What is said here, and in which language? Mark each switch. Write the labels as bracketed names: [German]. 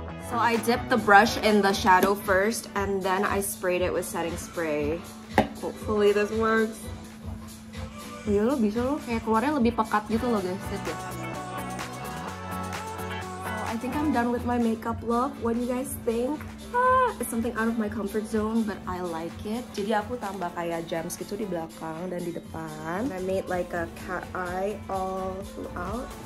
[English] So I dipped the brush in the shadow first and then I sprayed it with setting spray. Hopefully this works. [Indonesian] Iya lo bisa lo, kayak keluarnya lebih pekat gitu loh guys. [English] Set it. I think I'm done with my makeup look. What do you guys think? It's something out of my comfort zone, but I like it. [Indonesian] Jadi aku tambah kayak gems gitu di belakang dan di depan. [English] I made like a cat eye all throughout.